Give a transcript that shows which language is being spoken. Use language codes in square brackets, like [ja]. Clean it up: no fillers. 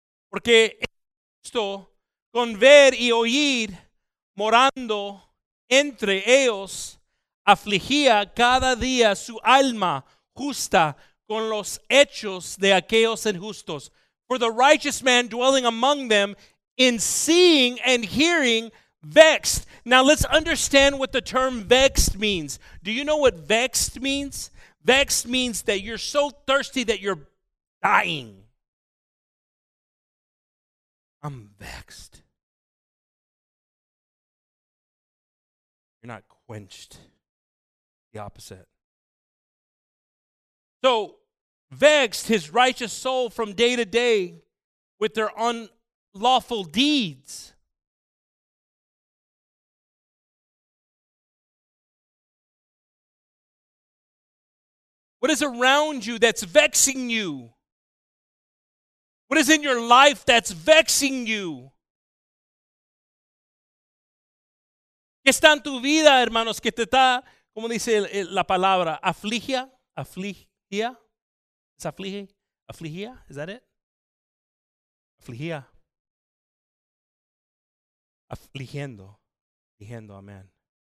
[es] Porque esto con ver y oír morando entre ellos afligía cada día su alma justa con los hechos de aquellos injustos. [en] For the righteous man dwelling among them, in seeing and hearing Vexed. Now let's understand what the term vexed means. Do you know what vexed means? Vexed means that you're so thirsty that you're dying. I'm vexed. You're not quenched. The opposite. So, vexed his righteous soul from day to day with their unlawful deeds. What is around you that's vexing you? What is in your life that's vexing you? [es] ¿Qué está en tu vida, hermanos? ¿Qué te está, como dice la palabra, afligia? Afligia? ¿Es afligia? Afligia? [en] Is that it? [es] Afligia. Afligiendo. Afligiendo, amén.